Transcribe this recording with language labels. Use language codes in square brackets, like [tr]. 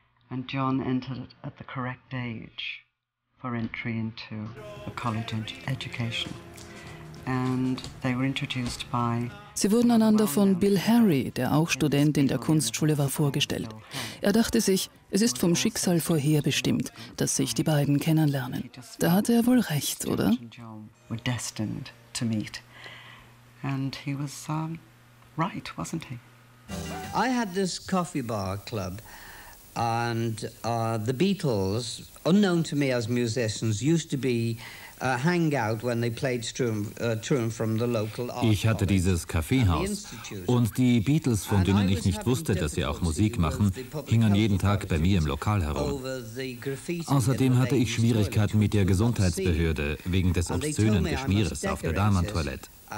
[en] And John entered at the correct age for entry into a college education. [de] Sie wurden einander von Bill Harry, der auch Student in der Kunstschule war, vorgestellt. Er dachte sich, es ist vom Schicksal vorherbestimmt, dass sich die beiden kennenlernen. Da hatte er wohl recht, oder? [en] I had this coffee bar club and the Beatles, unknown to me as musicians, used to be [de] Ich hatte dieses Kaffeehaus und die Beatles, von denen ich nicht wusste, dass sie auch Musik machen, hingen jeden Tag bei mir im Lokal herum. Außerdem hatte ich Schwierigkeiten mit der Gesundheitsbehörde wegen des obszönen Geschmieres auf der Damentoilette.